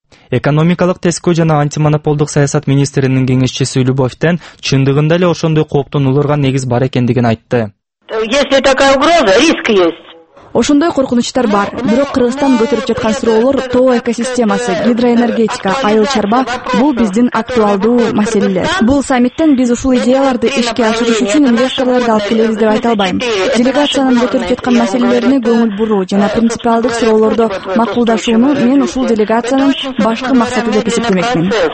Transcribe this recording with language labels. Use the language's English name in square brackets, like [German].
[Kyrgyz] Экономикалык тескөө жана антимонополдук саясат министринин кеңешчиси Любовтен чындыгында эле ошондой кооптонулурга негиз бар экендигин айтты. [Russian] Если такая угроза, риск есть. [Kyrgyz] Ошондой коркунучтар бар, бирок Кыргызстан көтөрүп жаткан суроолор тоо экосистемасы, гидроэнергетика, айыл чарба бул биздин актуалдуу маселелер. Бул саммиттен биз ушул идеяларды ишке ашырыш үчүн инвесторлорду алып келебиз деп айта албайм. Делегациянын көтөрүп жаткан маселелерине көңүл буруу жана принципиалдык суроолордо макулдашууну мен ушул делегациянын башкы максаты деп эсептемекмин.